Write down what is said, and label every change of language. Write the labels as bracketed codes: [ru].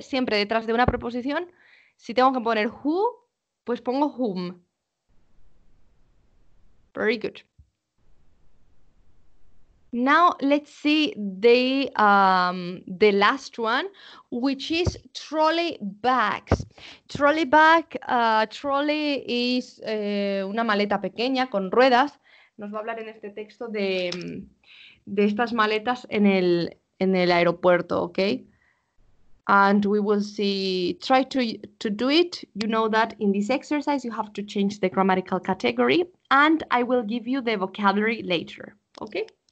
[es] Siempre detrás de una preposición, si tengo que poner who, pues pongo whom. [en] Very good. Now let's see the last one, which is trolley bags. Trolley bag, trolley is [es] una maleta pequeña con ruedas. Nos va a hablar en este texto de estas maletas en el aeropuerto, okay? [en] And we will see, try to do it. You know that in this exercise, you have to change the grammatical category, and I will give you the vocabulary later, okay?